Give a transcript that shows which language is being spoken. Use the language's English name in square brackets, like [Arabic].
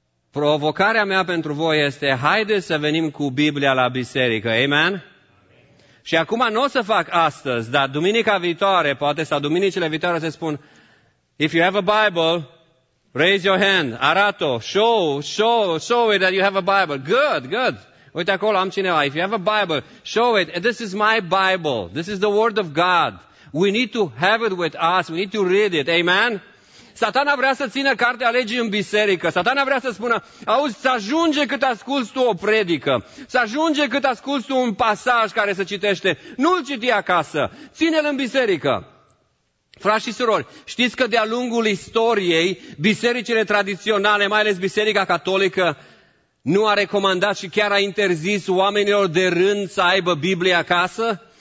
[Romanian] Provocarea mea pentru voi este, haideți să venim cu Biblia la biserică. Amen? Și acum nu o să fac astăzi, dar duminica viitoare, poate, sau duminicile viitoare, să spun, [English] if you have a Bible, raise your hand, [Romanian] arată-o, [English] show it that you have a Bible. Good, good. [Romanian] Uite acolo, am cineva. [English] If you have a Bible, show it. This is my Bible. This is the Word of God. We need to have it with us. We need to read it. Amen? [Romanian] Satana vrea să țină cartea legii în biserică. Satana vrea să spună, auzi, să ajunge cât asculți tu o predică. Să ajunge cât asculți tu un pasaj care se citește. Nu-l citi acasă. Ține-l în biserică. Frați și surori, știți că de-a lungul istoriei, bisericile tradiționale, mai ales Biserica Catolică, nu a recomandat și chiar a interzis oamenilor de rând să aibă Biblia acasă?